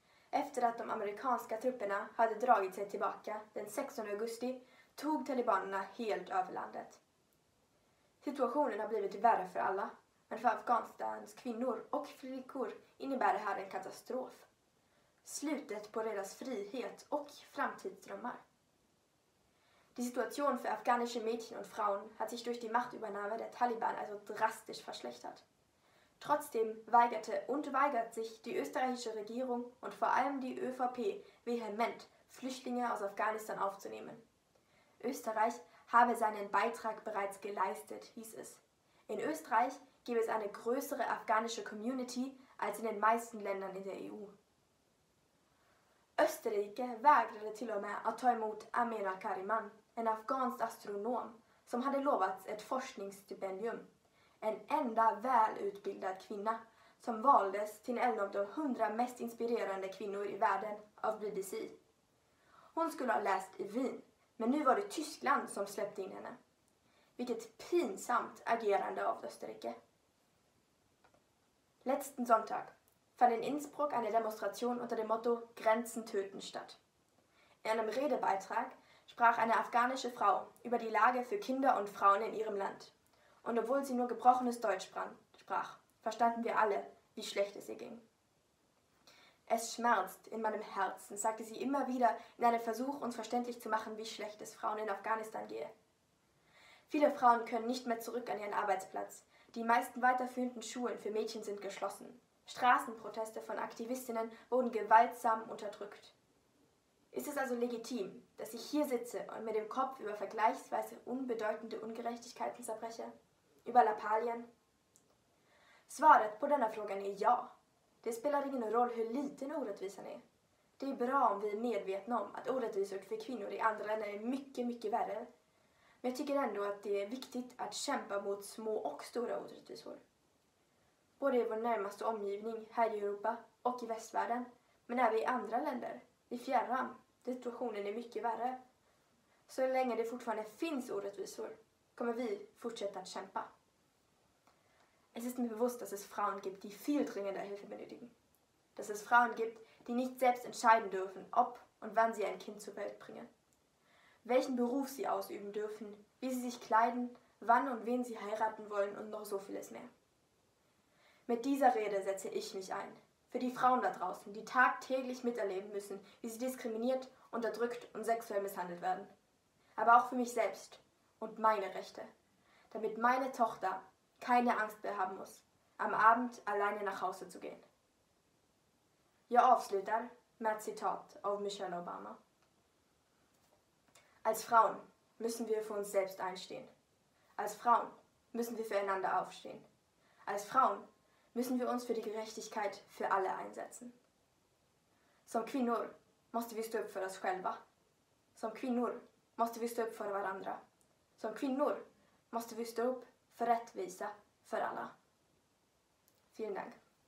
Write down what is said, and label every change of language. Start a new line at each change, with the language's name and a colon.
Swedish: Efter att de amerikanska trupperna hade dragit sig tillbaka den 16 augusti tog talibanerna helt över landet. Situationen har blivit värre för alla, men för Afghanistans kvinnor och flickor innebär det här en katastrof. Slutet på deras frihet och framtidsdrömmar.
German: Die Situation für afghanische Mädchen und Frauen hat sich durch die Machtübernahme der Taliban also drastisch verschlechtert. Trotzdem weigerte und weigert sich die österreichische Regierung und vor allem die ÖVP vehement, Flüchtlinge aus Afghanistan aufzunehmen. Österreich habe seinen Beitrag bereits geleistet, hieß es. In Österreich gäbe es eine größere afghanische Community als in den meisten Ländern in der EU.
Swedish: Österreich weigerte till och med att ta emot Amira Kariman, en afghansk astronom, som hade lovats ett forskningsstipendium. en enda välutbildad kvinna som valdes till en av de 100 mest inspirerande kvinnor i världen av BBC. Hon skulle ha läst i Wien, men nu var det Tyskland som släppte in henne. Vilket pinsamt agerande av Österrike.
German: Letzten Sonntag fand in Innsbruck eine Demonstration unter dem Motto Grenzen töten statt. In einem Redebeitrag sprach eine afghanische Frau über die Lage für Kinder und Frauen in ihrem Land. Und obwohl sie nur gebrochenes Deutsch sprach, verstanden wir alle, wie schlecht es ihr ging. Es schmerzt in meinem Herzen, sagte sie immer wieder in einem Versuch, uns verständlich zu machen, wie schlecht es Frauen in Afghanistan gehe. Viele Frauen können nicht mehr zurück an ihren Arbeitsplatz. Die meisten weiterführenden Schulen für Mädchen sind geschlossen. Straßenproteste von Aktivistinnen wurden gewaltsam unterdrückt. Ist es also legitim, dass ich hier sitze und mir den Kopf über vergleichsweise unbedeutende Ungerechtigkeiten zerbreche? Über Lappalien?
Swedish: Svaret på denna frågan är ja. Det spelar ingen roll hur liten orättvisan är. Det är bra om vi är medvetna om att orättvisor för kvinnor i andra länder är mycket, mycket värre. Men jag tycker ändå att det är viktigt att kämpa mot små och stora orättvisor. Både i vår närmaste omgivning här i Europa och i västvärlden, men även i andra länder, i fjärran, där situationen är mycket värre. Så länge det fortfarande finns orättvisor kommer vi fortsätta att kämpa.
German: Es ist mir bewusst, dass es Frauen gibt, die viel dringender Hilfe benötigen. Dass es Frauen gibt, die nicht selbst entscheiden dürfen, ob und wann sie ein Kind zur Welt bringen. Welchen Beruf sie ausüben dürfen, wie sie sich kleiden, wann und wen sie heiraten wollen und noch so vieles mehr. Mit dieser Rede setze ich mich ein. Für die Frauen da draußen, die tagtäglich miterleben müssen, wie sie diskriminiert, unterdrückt und sexuell misshandelt werden. Aber auch für mich selbst und meine Rechte. Damit meine Tochter keine Angst mehr haben muss, am Abend alleine nach Hause zu gehen.
Swedish: Jag avslutar med ett citat av Michelle Obama.
German: Als Frauen müssen wir für uns selbst einstehen. Als Frauen müssen wir füreinander aufstehen. Als Frauen müssen wir uns für die Gerechtigkeit für alle einsetzen.
Swedish: Som kvinnor måste vi stå upp för oss själva. Som kvinnor måste vi stå upp för varandra. Som kvinnor måste vi stå upp för rättvisa för alla.
German: Vielen Dank.